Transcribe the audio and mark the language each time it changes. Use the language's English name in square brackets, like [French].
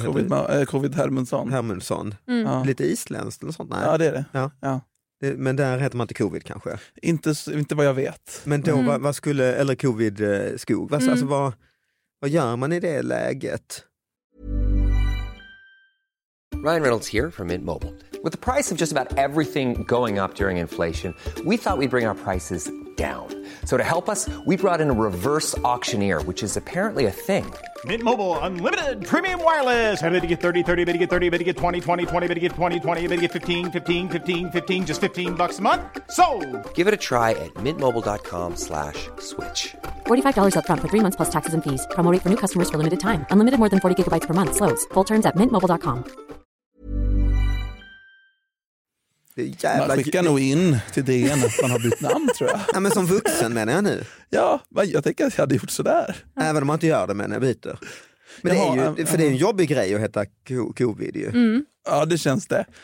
[Swedish] COVID heter? Covid Hermundsson. Hermundsson. Mm. Ja. Lite isländskt eller sånt. Nej. Ja, det är det. Ja. Ja. Men där heter man inte Covid kanske? Inte vad jag vet. Men då, vad skulle, eller Covid Skog, alltså, vad gör man i det läget? [English] Ryan Reynolds here from Mint Mobile. With the price of just about everything going up during inflation, we thought we'd bring our prices down. So to help us, we brought in a reverse auctioneer, which is apparently a thing. Mint Mobile Unlimited Premium Wireless. How to get 30, 30, how to get 30, how to get 20, 20, 20, how to get 20, 20, how to get 15, 15, 15, 15, just $15 a month? Sold! Give it a try at mintmobile.com/switch. $45 up front for 3 months plus taxes and fees. Promo rate for new customers for limited time. Unlimited more than 40 gigabytes per month. Slows full terms at mintmobile.com. [Swedish] Man skickar nog in till DN att man har bytt namn, tror jag. Ja, men som vuxen menar jag nu. Ja, jag tänker att jag hade gjort sådär. Även om man inte gör det menar jag byter. Men jaha, det är ju, för det är en jobbig grej att heta COVID ju. Mm. Ja, det känns det.